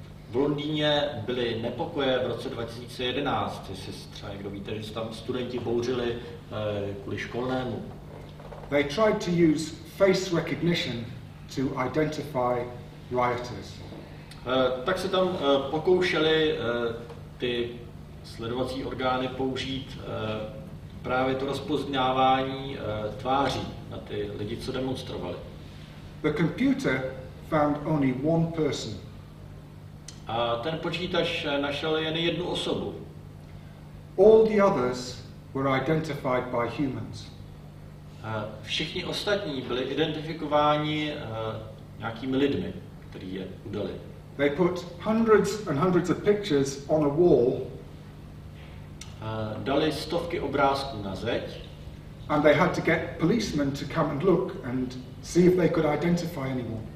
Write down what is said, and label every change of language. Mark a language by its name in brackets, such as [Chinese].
[Czech] V Londýně byly nepokoje v roce 2011, jestli třeba někdo víte, že se tam studenti bouřili kvůli školnému. [English] They tried to use face recognition to identify rioters. [Czech] Tak se tam pokoušeli ty sledovací orgány použít právě to rozpoznávání tváří na ty lidi, co demonstrovali. [English] The computer found only one person. [Czech] A ten počítač našel jen jednu osobu. [English] All the others were identified by humans. [Czech] Všichni ostatní byli identifikováni nějakými lidmi, kteří je udali. [English] They put hundreds and hundreds of pictures on a wall. [Czech] Dali stovky obrázků na zeď. [English] And they had to get policemen to come and look and see if they could identify anyone.